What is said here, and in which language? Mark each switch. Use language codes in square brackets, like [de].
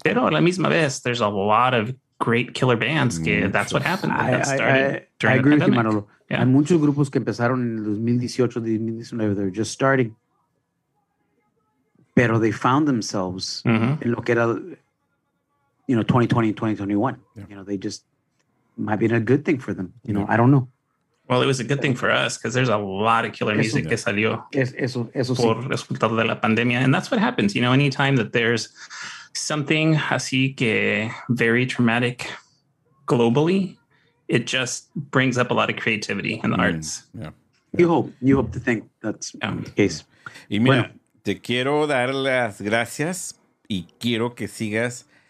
[es] Pero a la misma vez, [en] there's a lot of great killer bands que that's what happened. I agree with you, Manolo. Yeah. [es] Hay muchos grupos que empezaron en el 2018-2019, [en] they're just starting. Pero they found themselves in [es] lo que era, [en] you know, 2020-2021. Yeah. You know, they just might be a good thing for them. You know, I don't know. Well, it was a good thing for us because there's a lot of killer music [es] que salió por resultado de la pandemia. [en] And that's what happens, you know, anytime that there's something [es] así que [en] very traumatic globally, it just brings up a lot of creativity in the arts. Yeah. You hope to think that's the case. [es] Y mira, bueno, te quiero dar las gracias y quiero que sigas.